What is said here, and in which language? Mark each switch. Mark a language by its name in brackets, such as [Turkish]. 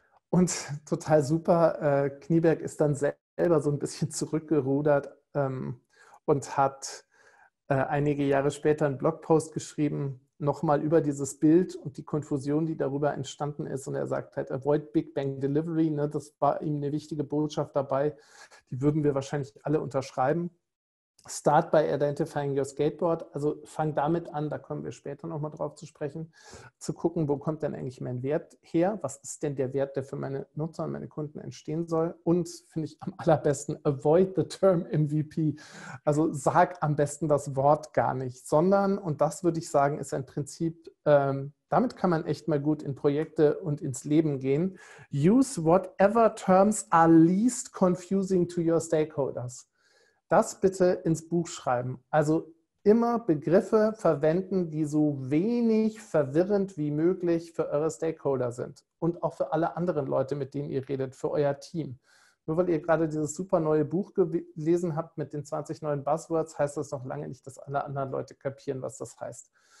[German] Und total super, Knieberg ist dann selber so ein bisschen zurückgerudert und hat einige Jahre später einen Blogpost geschrieben, nochmal über dieses Bild und die Konfusion, die darüber entstanden ist. Und er sagt halt, [English] avoid Big Bang Delivery. [German] Ne? Das war ihm eine wichtige Botschaft dabei. Die würden wir wahrscheinlich alle unterschreiben. [English] Start by identifying your skateboard. [German] Also fang damit an, da kommen wir später nochmal drauf zu sprechen, zu gucken, wo kommt denn eigentlich mein Wert her? Was ist denn der Wert, der für meine Nutzer und meine Kunden entstehen soll? Und finde ich am allerbesten, [English] avoid the term MVP. [German] Also sag am besten das Wort gar nicht, sondern, und das würde ich sagen, ist ein Prinzip, damit kann man echt mal gut in Projekte und ins Leben gehen. [English] Use whatever terms are least confusing to your stakeholders. [German] Das bitte ins Buch schreiben. Also immer Begriffe verwenden, die so wenig verwirrend wie möglich für eure Stakeholder sind und auch für alle anderen Leute, mit denen ihr redet, für euer Team. Nur weil ihr gerade dieses super neue Buch gelesen habt mit den 20 neuen Buzzwords, heißt das noch lange nicht, dass alle anderen Leute kapieren, was das heißt.